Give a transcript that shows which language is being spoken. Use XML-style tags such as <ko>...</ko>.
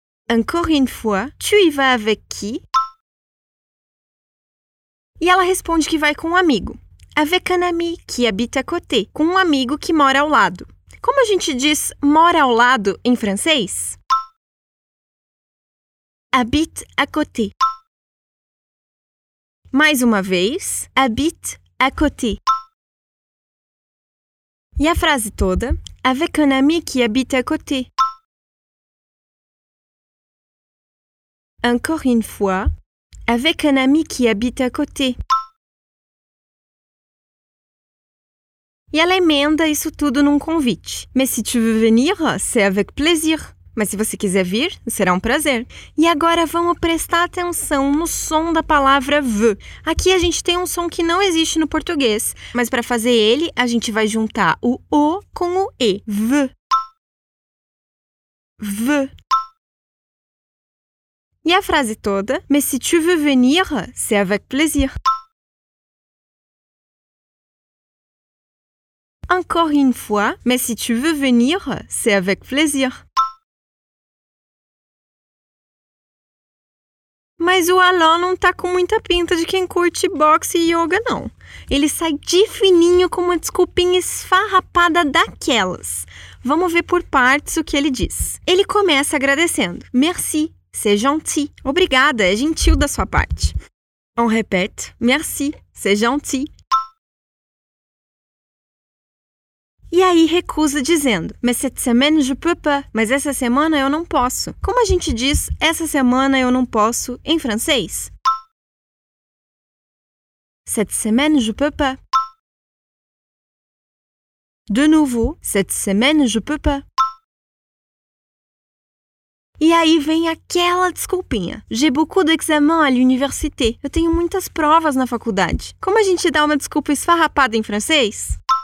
<fr>Encore une fois, tu y vas avec qui?</fr> <pt>E ela responde que vai com um amigo.</pt> <fr>Avec un ami qui habite à côté.</fr> <pt>Com um amigo que mora ao lado. Como a gente diz mora ao lado em francês?</pt> <fr>Habite à côté.</fr> <pt>Mais uma vez,</pt> <fr>habite à côté.</fr> <pt>E a frase toda,</pt> <fr>avec un ami qui habite à côté. Encore une fois, avec un ami qui habite à côté.</fr> <pt>E ela emenda isso tudo num convite.</pt> <fr>Mais si tu veux venir, c'est avec plaisir.</fr> <pt>Mas se você quiser vir, será um prazer. E agora vamos prestar atenção no som da palavra veux. Aqui a gente tem um som que não existe no português, mas para fazer ele, a gente vai juntar o O com o E.</pt> <fr>Veux. Veux.</fr> <pt>E a frase toda,</pt> <fr>mais si tu veux venir, c'est avec plaisir. Encore une fois, mais si tu veux venir, c'est avec plaisir.</fr> <pt>Mas o Alain não tá com muita pinta de quem curte boxe e yoga, não. Ele sai de fininho com uma desculpinha esfarrapada daquelas. Vamos ver por partes o que ele diz. Ele começa agradecendo.</pt> <fr>Merci. C'est gentil.</fr> <pt>Obrigada, é gentil da sua parte.</pt> <fr>On répète. Merci, c'est gentil.</fr> <pt>E aí recusa dizendo.</pt> <fr>Mais cette semaine, je peux pas.</fr> <pt>Mas essa semana eu não posso. Como a gente diz essa semana eu não posso em francês?</pt> <fr>Cette semaine, je peux pas.</fr> <pt>De novo.</pt> <fr>Cette semaine, je peux pas.</fr> <pt>E aí vem aquela desculpinha.</pt> <fr>J'ai beaucoup d'examens à l'université.</fr> <pt>Eu tenho muitas provas na faculdade. Como a gente dá uma desculpa esfarrapada em francês?</pt>